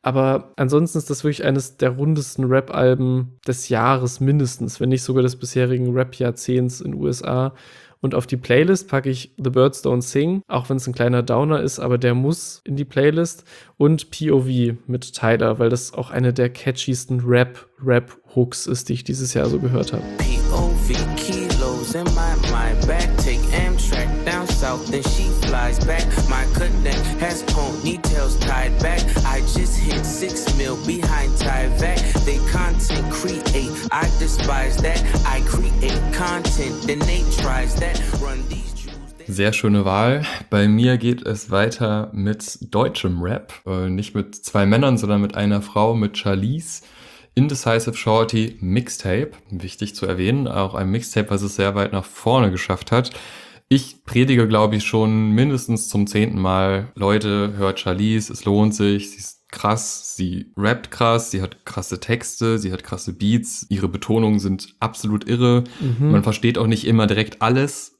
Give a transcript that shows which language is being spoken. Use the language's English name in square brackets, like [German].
[German] Aber ansonsten ist das wirklich eines der rundesten Rap-Alben des Jahres mindestens, wenn nicht sogar des bisherigen Rap-Jahrzehnts in USA. Und auf die Playlist packe ich The Birds Don't Sing, auch wenn es ein kleiner Downer ist, aber der muss in die Playlist. Und POV mit Tyler, weil das auch eine der catchiesten Rap-Rap-Hooks ist, die ich dieses Jahr so gehört habe. [English] POV Kilos in my back, take Amtrak down south, then she flies back. My connect has ponytails tied back. I just hit 6 mil behind Tyvek. They content create, I despise that. I create content, then they tries that. [German] Run these jewels. Sehr schöne Wahl. Bei mir geht es weiter mit deutschem Rap. Nicht mit zwei Männern, sondern mit einer Frau, mit Charlize. Indecisive Shorty Mixtape, wichtig zu erwähnen, auch ein Mixtape, was es sehr weit nach vorne geschafft hat. Ich predige, glaube ich, schon mindestens zum 10. Mal, Leute, hört Charlize, es lohnt sich, sie ist krass, sie rappt krass, sie hat krasse Texte, sie hat krasse Beats, ihre Betonungen sind absolut irre, man versteht auch nicht immer direkt alles.